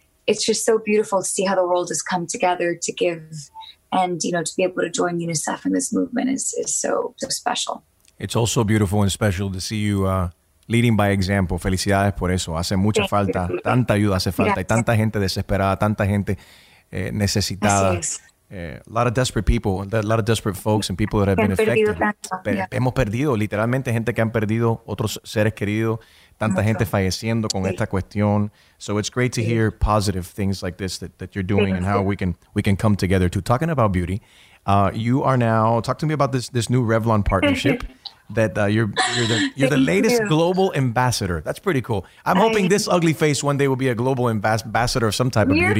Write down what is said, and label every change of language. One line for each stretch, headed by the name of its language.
English: It's just so beautiful to see how the world has come together to give, and you know, to be able to join UNICEF in this movement is so special. It's also beautiful and special to see you leading by example.
Spanish: Felicidades por eso. Hace mucha
English: Thank
Spanish: falta,
English: you.
Spanish: Tanta ayuda hace falta.
English: Yes.
Spanish: Y tanta gente desesperada, tanta gente necesitada.
English: A lot of desperate people, a lot of desperate folks and people that have been affected.
Spanish: Hemos perdido, literalmente, gente que han perdido otros seres queridos. Tanta gente falleciendo con esta cuestión.
English: So it's great to hear positive things like this that you're doing and how we can come together too. Talking about beauty, you are now, talk to me about this new Revlon partnership that you're the latest global ambassador. That's pretty cool. I'm hoping this ugly face one day will be a global ambassador of some type of beauty.